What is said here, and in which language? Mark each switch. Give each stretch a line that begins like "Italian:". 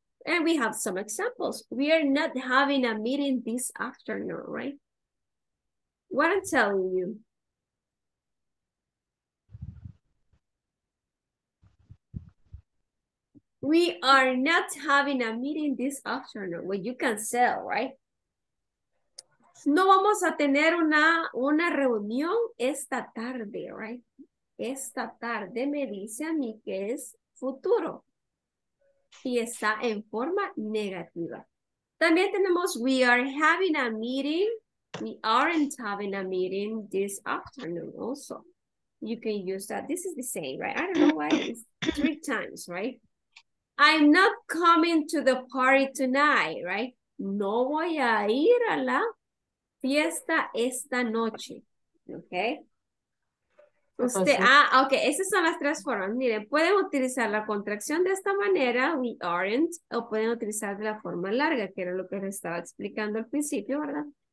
English: And we have some examples. We are not having a meeting this afternoon, right? What I'm telling you. We are not having a meeting this afternoon. Well, you can say, right?
Spanish: No vamos a tener una reunión esta tarde, right? Esta tarde me dice a mí que es futuro. Y está en forma negativa. También tenemos,
English: we are having a meeting. We aren't having a meeting this afternoon also. You can use that. This is the same, right? I don't know why it's three times, right? I'm not coming to the party tonight, right?
Spanish: No voy a ir a la fiesta esta noche, okay? Usted, okay, esas son las tres formas. Miren, pueden utilizar la contracción de esta manera,
English: we aren't,
Spanish: o pueden utilizar de la forma larga, que era lo que les estaba explicando al principio, ¿verdad?